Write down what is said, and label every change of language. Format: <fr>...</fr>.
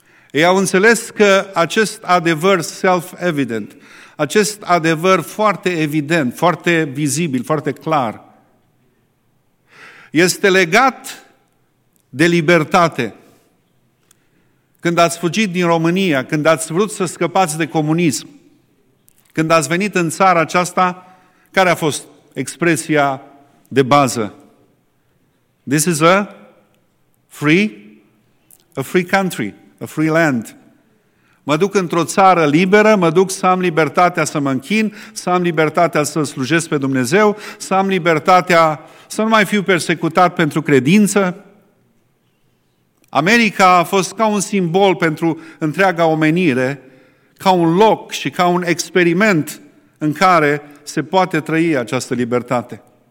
<ro>Ei au înțeles că acest adevăr self-evident, acest adevăr foarte evident, foarte vizibil, foarte clar, este legat de libertate. Când ați fugit din România, când ați vrut să scăpați de comunism, când ați venit în țara aceasta, care a fost expresia de bază?</ro> <en>This is a free country, a free land.</en> <ro>Mă duc într-o țară liberă, mă duc să am libertatea să mă închin, să am libertatea să slujesc pe Dumnezeu, să am libertatea să nu mai fiu persecutat pentru credință. America a fost ca un simbol pentru întreaga omenire, ca un loc și ca un experiment în care se poate trăi această libertate.</ro>